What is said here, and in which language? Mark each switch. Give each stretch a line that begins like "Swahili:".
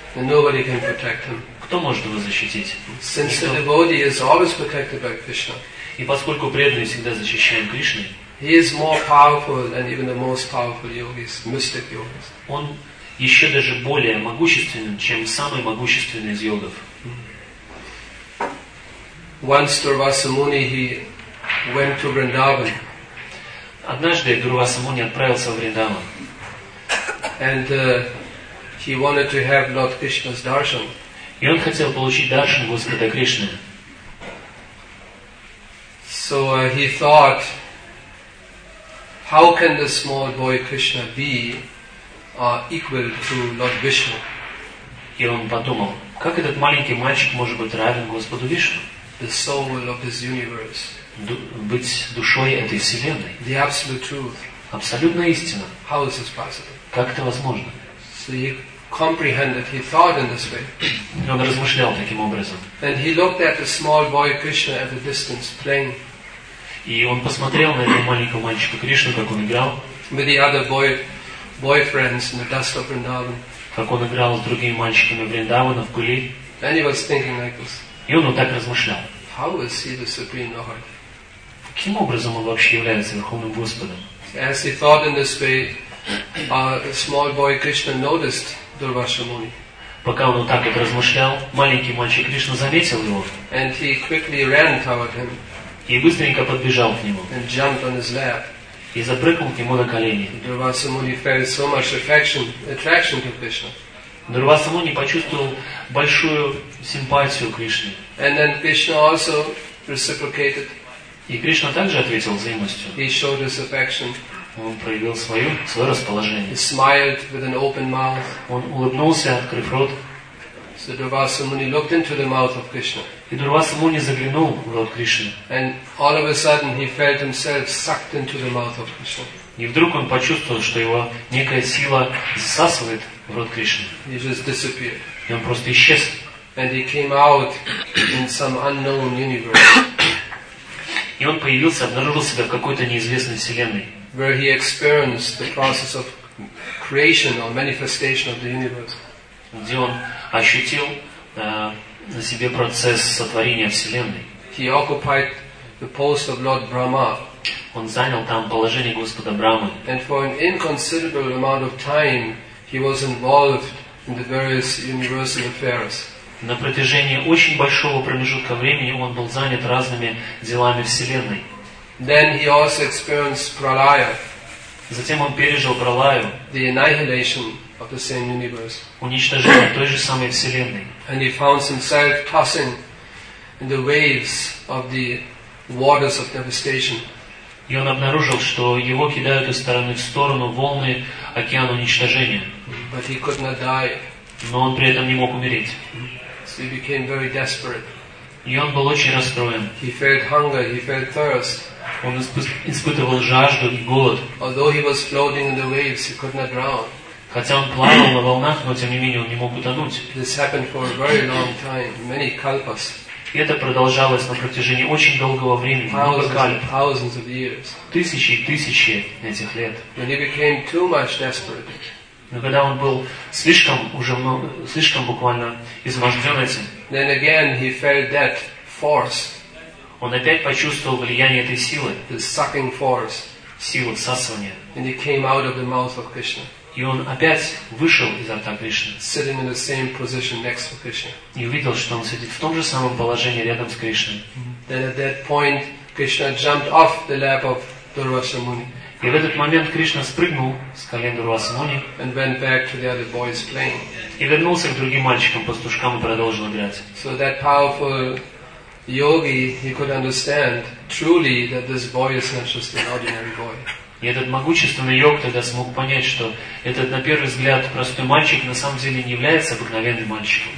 English: then nobody can protect him.
Russian: Кто может его защитить?
English: Since the devotee is always protected by Krishna,
Russian: и поскольку преданный всегда защищаем Кришной,
English: he is more powerful than even the most powerful yogis, mystic yogis.
Russian: Он еще даже более могущественен, чем самый могущественный из йогов.
English: Once Durvasa Muni, he went to Vrindavan.
Russian: Однажды Дурваса Муни отправился в Вриндаван.
English: And he wanted to have Lord Krishna's darshan.
Russian: И он хотел получить даршан Господа Кришны.
English: So he thought how can the small boy Krishna be equal to Lord Vishnu?
Russian: И он подумал, как этот маленький мальчик может быть равен Господу Вишну?
English: The soul of this universe.
Russian: Быть душой этой вселенной.
English: The absolute truth.
Russian: Абсолютная истина.
English: How is this possible?
Russian: Как это возможно?
English: So he comprehended, he thought in this way.
Russian: Он размышлял таким образом.
English: And he looked at the small boy Krishna at a distance playing.
Russian: И он посмотрел на этого маленького мальчика Кришну, как он играл.
English: With the other boyfriends in the dust of Vrindavan.
Russian: Как он играл с другими мальчиками Вриндавана в Кули.
English: And he was thinking like this.
Russian: И он вот так размышлял.
English: How is he the Supreme Lord?
Russian: Каким образом он вообще является Верховным Господом?
English: As he thought in this way, small boy Krishna noticed Durvasa Muni.
Russian: Пока он вот так вот размышлял, маленький мальчик Кришна заметил его.
English: And he quickly ran toward him.
Russian: И быстренько подбежал к нему.
English: And jumped on his lap.
Russian: И запрыгнул к нему на колени.
English: Durvasa Muni felt so much attraction to Krishna.
Russian: Durvasa Muni почувствовал большую симпатию к Кришне.
English: And then Krishna also reciprocated.
Russian: И Кришна также ответил взаимностью.
English: He showed his affection.
Russian: Он проявил свое расположение.
English: He smiled with an open mouth.
Russian: Он улыбнулся, открыв рот.
English: So Durvasa Muni looked into the mouth of Krishna.
Russian: И Дурвасу Муни заглянул в рот Кришны.
English: And all of a sudden he felt himself sucked into the mouth of Krishna.
Russian: И вдруг он почувствовал, что его некая сила засасывает в рот Кришны.
English: He just disappeared.
Russian: И он просто исчез.
English: And he came out in some unknown universe.
Russian: И он появился, обнаружил себя в какой-то неизвестной вселенной.
English: Where he experienced the process of creation or manifestation of the universe.
Russian: Где он ощутил на себе процесс сотворения вселенной.
English: He occupied the post of Lord Brahma.
Russian: Он занял там положение Господа Брахмы.
English: And for an inconsiderable amount of time, he was involved in the various universal affairs.
Russian: На протяжении очень большого промежутка времени он был занят разными делами вселенной.
English: Then he also experienced pralaya.
Russian: Затем он пережил пралаю.
English: The annihilation of the same universe.
Russian: Уничтожение той же самой вселенной.
English: And he found himself tossing in the waves of the waters of devastation.
Russian: И он обнаружил, что его кидают из стороны в сторону волны океана уничтожения.
English: But he could not die.
Russian: Но он при этом не мог умереть.
English: So he became very desperate.
Russian: И он был очень расстроен.
English: He felt hunger, he felt thirst.
Russian: Он испытывал жажду и голод.
English: Although he was floating in the waves, he could not drown.
Russian: Хотя он плавал на волнах, но тем не менее он не мог утонуть.
English: This happened for a very long time, many kalpas.
Russian: И это продолжалось на протяжении очень долгого времени,
English: thousands, thousands of years.
Russian: Тысячи и тысячи этих лет.
English: When he became too much desperate.
Russian: Но когда он был слишком уже слишком буквально изможден этим,
English: then again he felt that force.
Russian: Он опять почувствовал влияние этой силы.
English: The sucking force.
Russian: Силу всасывания.
English: And he came out of the mouth of Krishna.
Russian: И он опять вышел изо рта Кришны.
English: Sitting in the same position next to Krishna.
Russian: И увидел, что он сидит в том же самом положении рядом с Кришной.
English: Then at that point Krishna jumped off the lap of Durvasa Muni.
Russian: И в этот момент Кришна спрыгнул с колен Дурвасы Муни.
English: And went back to the other boys playing.
Russian: И вернулся к другим мальчикам, пастушкам и продолжил играть.
English: So that powerful yogi, he could understand truly that this boy is not just an ordinary boy.
Russian: И этот могущественный йог тогда смог понять, что этот, на первый взгляд, простой мальчик на самом деле не является обыкновенным мальчиком.